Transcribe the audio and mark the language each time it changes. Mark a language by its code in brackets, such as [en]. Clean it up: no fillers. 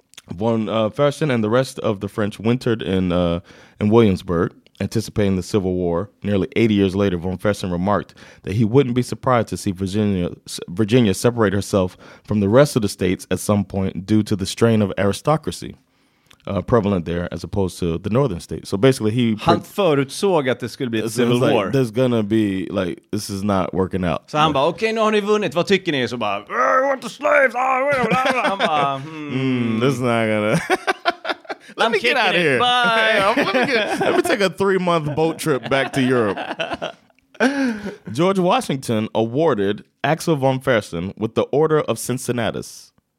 [en] Von Fersen and the rest of the French wintered in Williamsburg, anticipating the Civil War. Nearly 80 years later, von Fersen remarked that he wouldn't be surprised to see Virginia separate herself from the rest of the states at some point due to the strain of aristocracy prevalent there as opposed to the northern states. So basically he... [sv] Han förutsåg att det skulle bli [en] a civil war. Like, there's gonna be, like, this is not working out. [sv] Så han bara, okej, nu har ni vunnit. Vad tycker ni? Så bara, [en] I want the slaves! [sv] Han bara, [en] this is not gonna... Let me get out of here. Bye. Let me take a 3-month boat trip back to Europe. George Washington awarded Axel von Fersen with the Order of Cincinnatus.